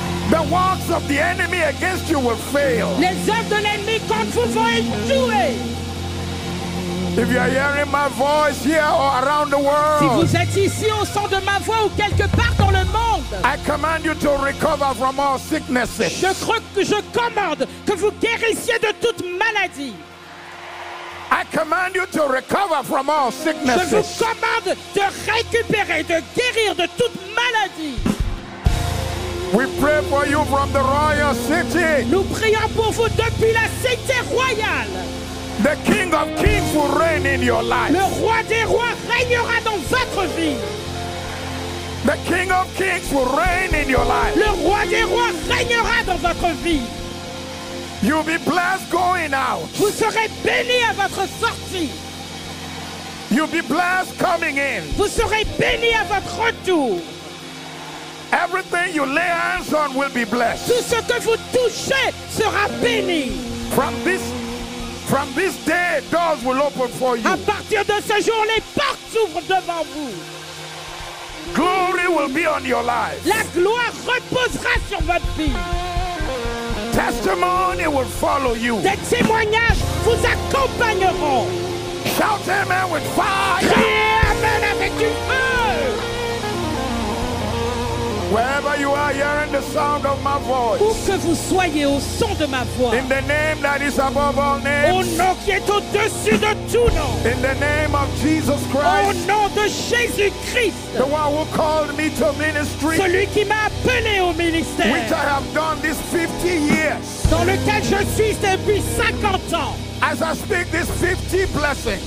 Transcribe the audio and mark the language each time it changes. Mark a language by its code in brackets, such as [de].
[en] The works of the enemy against you will fail. [fr] Les œuvres de l'ennemi contre vous vont échouer. [en] If you are hearing my voice here or around the world, [fr] si vous êtes ici au son de ma voix ou quelque part dans le monde, [en] I command you to recover from all sicknesses. [fr] Je commande que vous guérissiez de toute maladie. [en] I command you to recover from all sicknesses. [fr] Je vous commande de récupérer, de guérir de toute maladie. [en] We pray for you from the royal city. [fr] Nous prions pour vous depuis la cité royale. [en] The King of Kings will reign in your life. [fr] Le roi des rois régnera dans votre vie. [en] The King of Kings will reign in your life. [fr] Le roi des rois régnera dans votre vie. [en] You'll be blessed going out. [fr] Vous serez béni à votre sortie. [en] You'll be blessed coming in. [fr] Vous serez béni à votre retour. [en] Everything you lay hands on will be blessed. [fr] Tout ce que vous touchez sera béni. [en] From this day, doors will open for you. [fr] À partir de ce jour, les portes s'ouvrent devant vous. [en] Glory will be on your life. [fr] La gloire reposera sur votre vie. [en] Testimony will follow you. [fr] Des témoignages vous accompagneront. [en] Shout amen with fire. [fr] Criez amen avec une feu. [en] Wherever you are hearing the sound of my voice. [fr] Où que vous soyez au son de ma voix. [en] In the name that is above all names. [fr] Au nom qui est au-dessus de tout nom. [en] In the name of Jesus Christ. [fr] Au nom de Jésus-Christ. [en] The one who called me to ministry. [fr] Celui qui m'a appelé au ministère. [en] Which I have done this 50 years. [fr] Dans lequel je suis depuis 50 ans. [en] As I speak these 50 blessings.